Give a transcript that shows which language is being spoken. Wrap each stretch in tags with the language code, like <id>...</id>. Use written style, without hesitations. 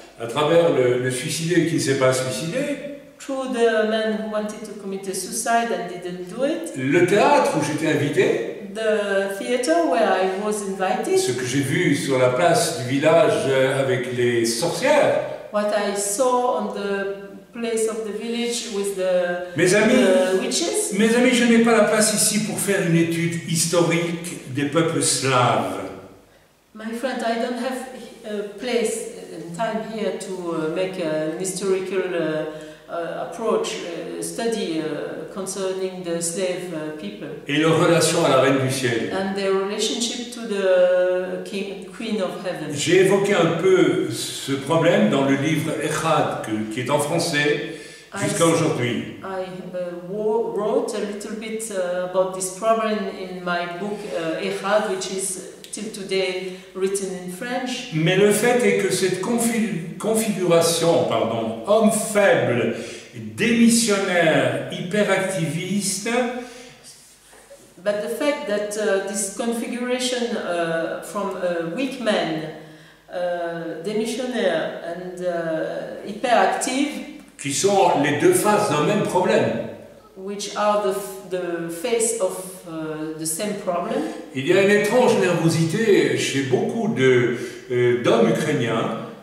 <fr>À travers le suicidé qui ne s'est pas suicidé.</fr> <en>Through the man who wanted to commit a suicide and didn't do it.</en> <fr>Le théâtre où j'étais invité.</fr> <en>The theater where I was invited.</en> <fr>Ce que j'ai vu sur la place du village avec les sorcières.</fr> <en>What I saw on the place of the village with the,</en> <fr>mes amis,</fr> <en>the witches.</en> <fr>Mes amis, je n'ai pas la place ici pour faire une étude historique des peuples slaves.</fr> <en>My friend, I don't have a place and time here to make an historical approach, study concerning the slave people.</en> <fr>Et leur relation à la Reine du Ciel.</fr> <en>And their relationship to the Queen of Heaven.</en> <fr>J'ai évoqué un peu ce problème dans le livre Echad, qui est en français, jusqu'à aujourd'hui.</fr> <en>I wrote a little bit about this problem in my book Echad, which is till today written in French.</en> <fr>Mais le fait est que cette configuration, homme faible, démissionnaire, hyperactiviste,</fr> <en>But the fact that this configuration from a weak man, démissionnaire and hyperactive,</en> <fr>qui sont les deux faces d'un même problème,</fr> <en>which are the face of the same problem.</en> <fr>Il y a une étrange nervosité chez beaucoup de d'hommes ukrainiens.</fr>